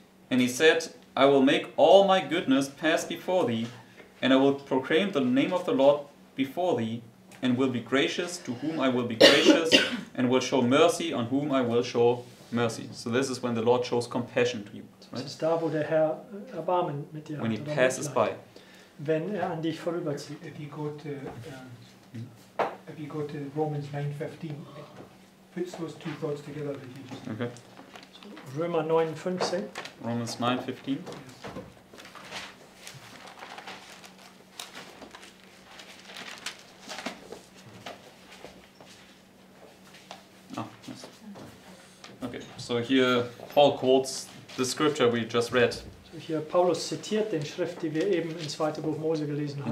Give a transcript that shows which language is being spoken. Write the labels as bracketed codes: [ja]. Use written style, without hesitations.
[en] And he said, I will make all my goodness pass before thee, and I will proclaim the name of the Lord before thee, and will be gracious to whom I will be gracious, and will show mercy on whom I will show mercy. So this is when the Lord shows compassion to you. Right? [de] Das ist da, wo der Herr Erbarmen mit dir hat. [en] When he passes by. [de] Wenn er an dich vorüberzieht. [en] If you go to, if you go to Romans 9:15, it puts those two thoughts together. Okay. [de] Römer 9:15. [en] Romans 9:15. Ah, yes. Okay, so here Paul quotes the scripture we just read. [de] So here Paulus zitiert den Schrift, die wir eben im zweiten Buch Mose gelesen haben.